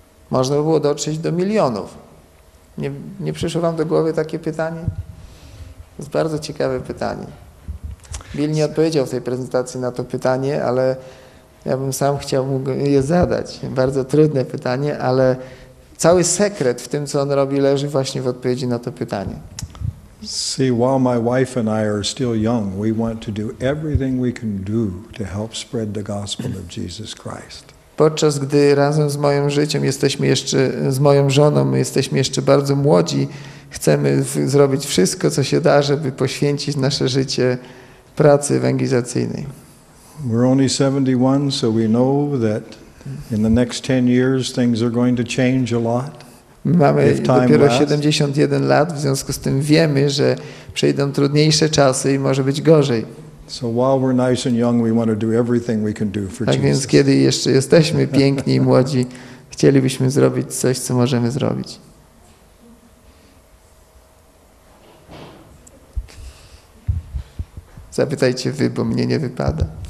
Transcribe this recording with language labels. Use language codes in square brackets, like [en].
[pl] Można by było dotrzeć do milionów. Nie przyszło wam do głowy takie pytanie? To jest bardzo ciekawe pytanie. Bill nie odpowiedział w tej prezentacji na to pytanie, ale ja bym sam chciał mu je zadać. Bardzo trudne pytanie, ale cały sekret w tym, co on robi, leży właśnie w odpowiedzi na to pytanie. [en] See, while my wife and I are still young, we want to do everything we can do to help spread the gospel of Jesus Christ. [pl] Podczas gdy razem z moją życiem jesteśmy jeszcze, z moją żoną, my jesteśmy jeszcze bardzo młodzi, chcemy zrobić wszystko, co się da, żeby poświęcić nasze życie pracy ewangelizacyjnej. [en] We're only 71, so we know that in the next 10 years things are going to change a lot. [pl] Mamy dopiero 71 lat, w związku z tym wiemy, że przyjdą trudniejsze czasy i może być gorzej. [en] So while we're nice and young, we want to do everything we can do for Jesus. [pl] Tak więc kiedy jeszcze jesteśmy piękni i młodzi, chcielibyśmy zrobić coś, co możemy zrobić. Zapytajcie wy, bo mnie nie wypada.